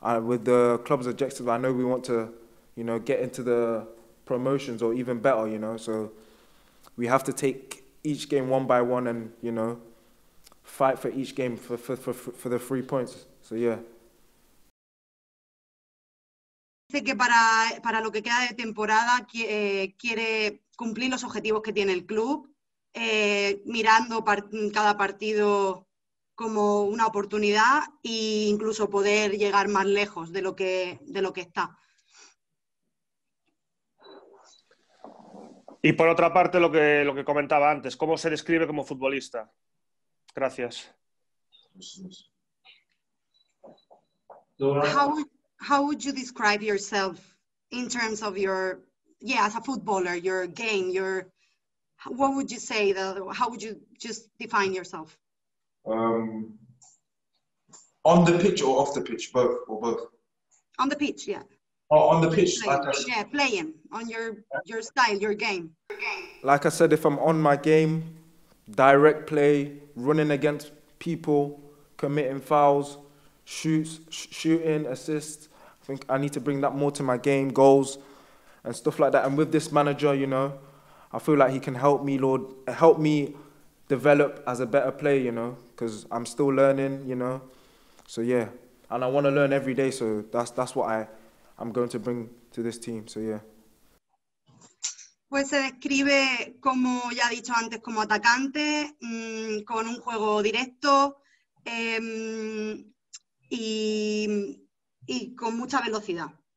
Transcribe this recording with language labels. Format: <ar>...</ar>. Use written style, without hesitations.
<en>With the club's objectives, I know we want to, you know, get into the promotions or even better, you know. So we have to take each game one by one and, you know, fight for each game for the 3 points. So yeah.</en> <es>Dice que para lo que queda de temporada quiere cumplir los objetivos que tiene el club, mirando cada partido como una oportunidad e incluso poder llegar más lejos de lo que está. Y por otra parte, lo que comentaba antes, ¿cómo se describe como futbolista? Gracias.</es> <en>How would you describe yourself in terms of your, yeah, as a footballer, your game, your, what would you say, how would you just define yourself? On the pitch or off the pitch, both? On the pitch, yeah. on the pitch, playing on your style, your game. Like I said, if I'm on my game, direct play, running against people, committing fouls, shooting, assists, I think I need to bring that more to my game, goals and stuff like that. And with this manager, you know, I feel like he can help me, Lord, help me develop as a better player, you know, because I'm still learning, you know. So, yeah, and I want to learn every day. So that's what I'm going to bring to this team. So, yeah.</en> <es>Pues se describe, como ya he dicho antes, como atacante, con un juego directo y con mucha velocidad.</es>